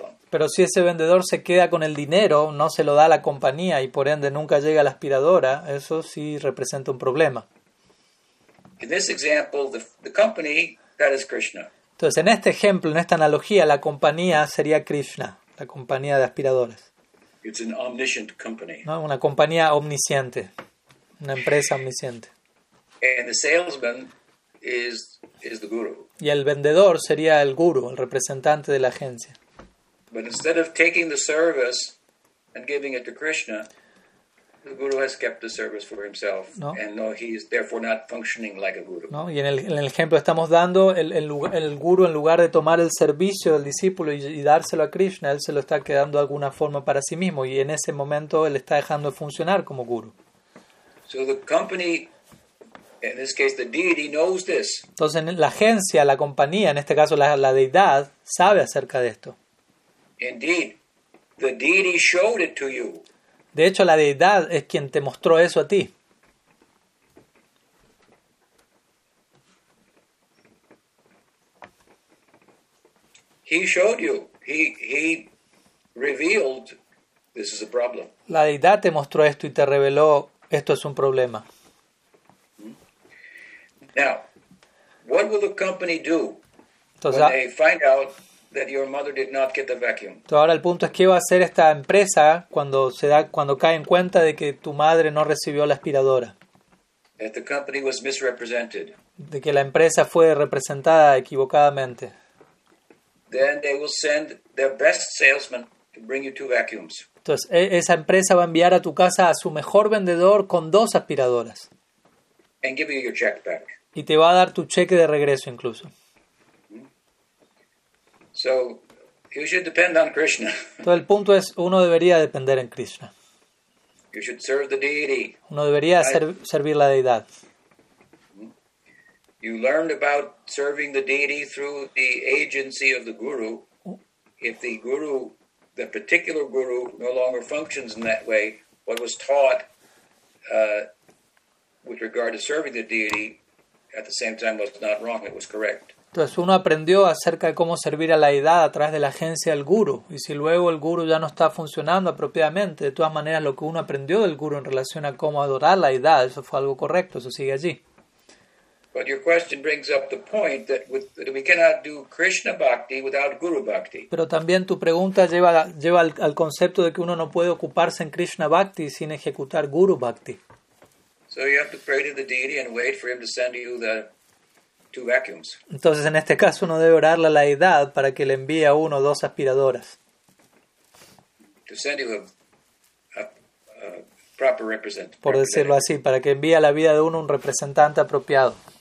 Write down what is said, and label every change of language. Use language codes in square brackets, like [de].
[es] pero si ese vendedor se queda con el dinero, no se lo da a la compañía y por ende nunca llega a la aspiradora, eso sí representa un problema. [en] In this example, the company, that is Krishna. [es] Entonces, en este ejemplo, en esta analogía, la compañía sería Krishna, la compañía de aspiradoras. [en] It's an omniscient company. [es] ¿No? Una compañía omnisciente, una empresa omnisciente. [en] And the salesman is the guru. [es] Y el vendedor sería el guru, el representante de la agencia. [en] But instead of taking the service and giving it to Krishna, the guru has kept the service for himself, [es] ¿no? [en] And no, he is therefore not functioning like a guru. [es] ¿No? Y en el ejemplo estamos dando, el guru, en lugar de tomar el servicio del discípulo y dárselo a Krishna, él se lo está quedando de alguna forma para sí mismo, y en ese momento él está dejando de funcionar como guru. [en] So the company, in this case, the deity knows this. [es] Entonces, la agencia, la compañía, en este caso la deidad, sabe acerca de esto. [en] Indeed, the deity showed it to you. [es] De hecho, la deidad es quien te mostró eso a ti. [en] He showed you. He revealed this is a problem. [es] La deidad te mostró esto y te reveló esto es un problema. [en] Now, what will the company do when they find out that your mother did not get the vacuum? [es] Entonces, ahora el punto es qué va a hacer esta empresa cuando cae en cuenta de que tu madre no recibió la aspiradora. [en] That the company was misrepresented. [es] De que la empresa fue representada equivocadamente. [en] Then they will send their best salesman to bring you 2 vacuums. [es] Entonces, esa empresa va a enviar a tu casa a su mejor vendedor con 2 aspiradoras. [en] And give you your check back. [es] Y te va a dar tu cheque de regreso incluso. [en] So, you should depend on Krishna. [es] Entonces el punto es, uno debería depender en Krishna. [en] You should serve the deity. [es] Uno debería servir la deidad. [en] You learned about serving the deity through the agency of the guru. If the guru, the particular guru, no longer functions in that way, what was taught with regard to serving the deity at the same time was not wrong, it was correct. [es] Entonces uno aprendió acerca de cómo servir a la deidad a través de la agencia del guru, y si luego el guru ya no está funcionando apropiadamente, de todas maneras lo que uno aprendió del guru en relación a cómo adorar a la deidad, eso fue algo correcto, eso sigue allí. [en] But your question brings up the point that we cannot do Krishna bhakti without guru bhakti. [es] Pero también tu pregunta lleva al concepto de que uno no puede ocuparse en Krishna bhakti sin ejecutar guru bhakti. [en] So you have to pray to the deity and wait for him to send you the two vacuums. [es] Entonces en este caso uno debe orarle a la deidad para que le envíe a uno o dos aspiradoras. [en] To send you a proper representative. [es] Por decirlo así, para que envíe a la vida de uno un representante apropiado.